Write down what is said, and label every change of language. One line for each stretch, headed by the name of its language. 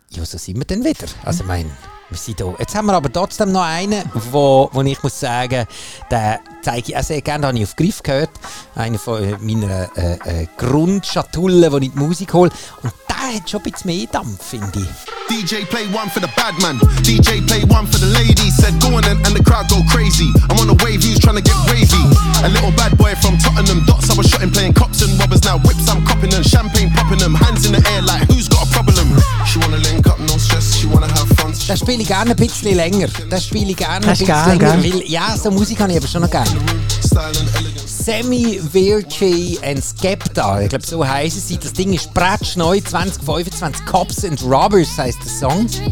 German: Ja, so sind wir dann wieder. Also ich meine, wir sind hier. Jetzt haben wir aber trotzdem noch einen, wo ich muss sagen, den zeige ich auch sehr gerne, den habe ich auf Griff gehört. Einer von meiner Grundschatulle, wo ich die Musik hole. Und der hat schon ein bisschen mehr Dampf, finde ich.
English: DJ play one for the bad man. DJ play one for the ladies. Said go on and the crowd go crazy. I'm on the wave, he's trying to get wavy. A little bad boy from Tottenham. Dots I was shotting, playing cops and robbers. Now whips I'm copping them, champagne popping them. Hands in the air like who's got a problem? She wanna link up, no stress. She wanna have fun.
German: Das spiele ich gerne ein bisschen länger. Das spiele ich gerne ein bisschen länger. Gern. Weil, ja, so Musik habe ich aber schon noch gerne. Sammy Virgi and Skepta. Ich glaube, so heissen sie. Das Ding ist brechneu, 2025. Cops and Robbers heisst der Song.